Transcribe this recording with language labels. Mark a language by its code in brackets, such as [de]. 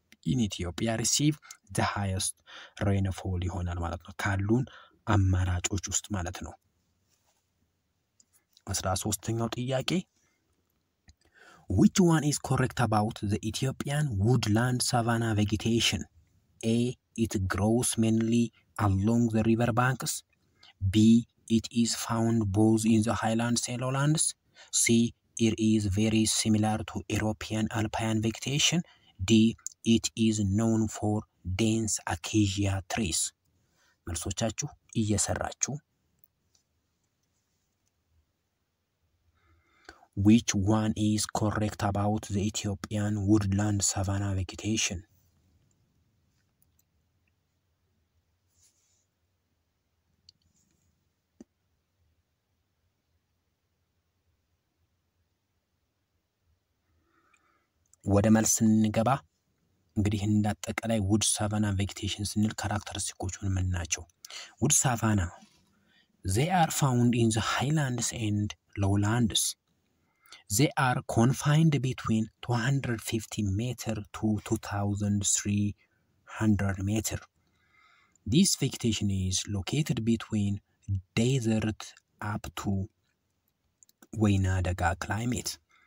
[en] ኢን ኢትዮጵያ ሪሲቭ ዘ ሃይስት ሬንፎል [am] ይሆናል ማለት ነው፣ ካሉን አማራጮች ውስጥ ማለት ነው። 13ኛው ጥያቄ [en] which one is correct about the Ethiopian woodland savanna vegetation? A. It grows mainly along the river banks. B. It is found both in the highlands and lowlands. C. It is very similar to European alpine vegetation. D. It is known for dense acacia trees. [am] መልሶቻችሁ እየሰራችሁ [en] which one is correct about the Ethiopian woodland savanna vegetation? [am] ወደ መልስ እንገባ። እንግዲህ እንዳጠቃላይ wood savanna vegetation ስንል ካራክተሪስቲኮቹ ምን ናቸው? [en] wood savanna they are found in the highlands and lowlands. They are confined between 250 meter to 2300 meter. This vegetation is located between desert up to Wainadaga climate.